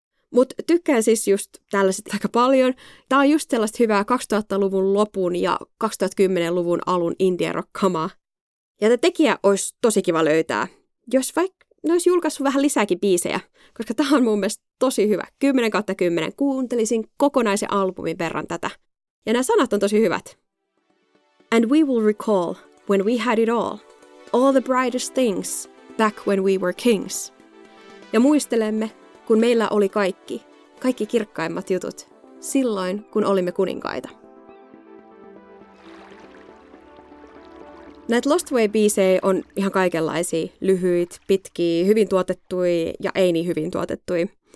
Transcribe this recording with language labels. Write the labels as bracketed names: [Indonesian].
[Finnish] Mut tykkään siis just tällaiset aika paljon. Tää on just sellaista hyvää 2000-luvun lopun ja 2010-luvun alun indie rock-kamaa. Ja tämä tekijä olisi tosi kiva löytää, jos vaikka ne olisi julkaissut vähän lisääkin biisejä, koska tämä on mun mielestä tosi hyvä. 10/10 kuuntelisin kokonaisen albumin verran tätä. Ja nämä sanat on tosi hyvät. [English] And we will recall when we had it all the brightest things, back when we were kings. [Finnish] Ja muistelemme, kun meillä oli kaikki kirkkaimmat jutut, silloin kun olimme kuninkaita. Näitä Lost Way-biisejä on ihan kaikenlaisia, lyhyitä, pitkiä, hyvin tuotettuja ja ei niin hyvin tuotettuja.